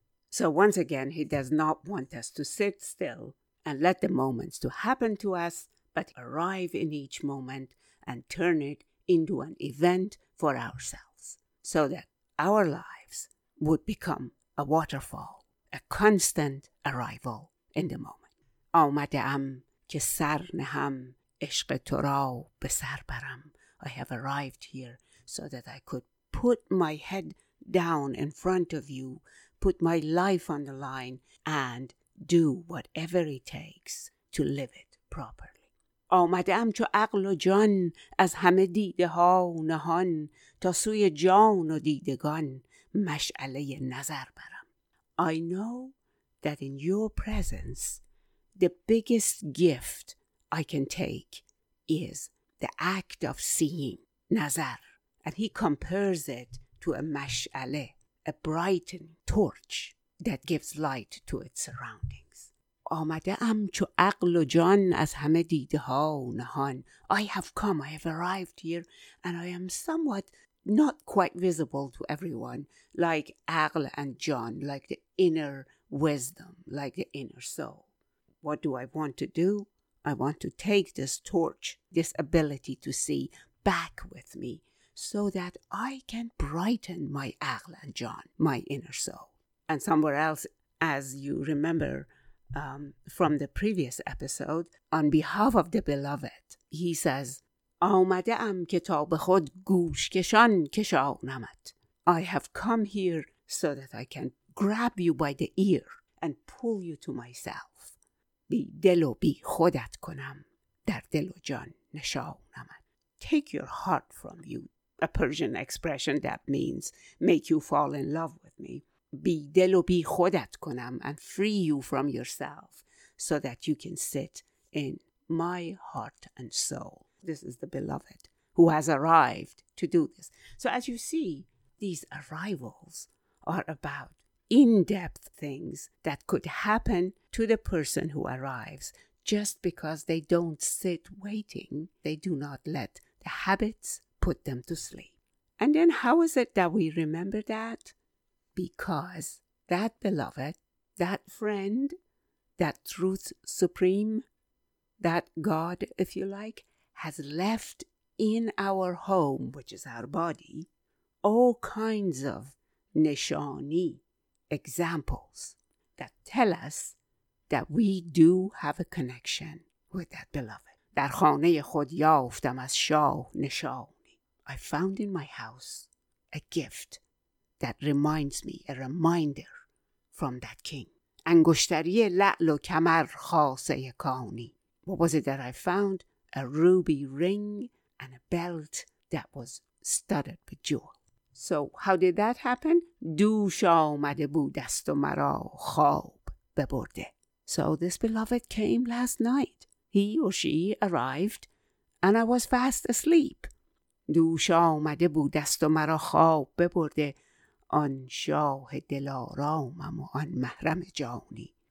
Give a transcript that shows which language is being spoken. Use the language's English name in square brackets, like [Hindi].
[English] So once again, he does not want us to sit still and let the moments to happen to us, but arrive in each moment and turn it into an event for ourselves, so that our lives would become a waterfall, a constant arrival in the moment. [Persian] آمده ام که سر نهم عشق تو را به سر برم. [English] I have arrived here so that I could put my head down in front of you, put my life on the line and do whatever it takes to live it properly. [Persian] آمدم چو عقل و جان از همه دیده ها و نهان تا سوی جان و دیدگان مشعله نظر برم. [English] I know that in your presence the biggest gift I can take is the act of seeing, nazar. And he compares it to a mash'ale, a brightened torch that gives light to its surroundings. [Persian] آمده ام چو عقل و جان از همه دیده ها و نهان. [English] I have come, I have arrived here, and I am somewhat not quite visible to everyone, like عقل and جان, like the inner wisdom, like the inner soul. What do I want to do? I want to take this torch, this ability to see, back with me so that I can brighten my aql and jan, my inner soul. And somewhere else, as you remember from the previous episode, on behalf of the beloved, he says, [Persian] آمده ام کتاب خود گوش کشان کشانمت. [English] I have come here so that I can grab you by the ear and pull you to myself. [Persian] بی دل و بی خودت کنم در دل و جان نشانم. [English] Take your heart from you, a Persian expression that means make you fall in love with me. [Persian] بی دل و بی خودت کنم [English] and free you from yourself so that you can sit in my heart and soul. This is the beloved who has arrived to do this. So as you see, these arrivals are about in-depth things that could happen to the person who arrives just because they don't sit waiting. They do not let the habits put them to sleep. And then how is it that we remember that? Because that beloved, that friend, that truth supreme, that God, if you like, has left in our home, which is our body, all kinds of nishani, examples that tell us that we do have a connection with that beloved. [Persian] در خانه خود یافتم از شاه نشانی. [English] I found in my house a gift that reminds me, a reminder from that king. [Persian] انگشتری لعل و کمر خاصه کانی. [English] What was it that I found? A ruby ring and a belt that was studded with jewels. So how did that happen? [Persian] دوش آمده بود است و مرا خواب ببرده. [English] So this beloved came last night. He or she arrived and I was fast asleep. [Persian] دوش آمده بود است و مرا خواب ببرده آن شاه دلارامم و آن محرم جانی.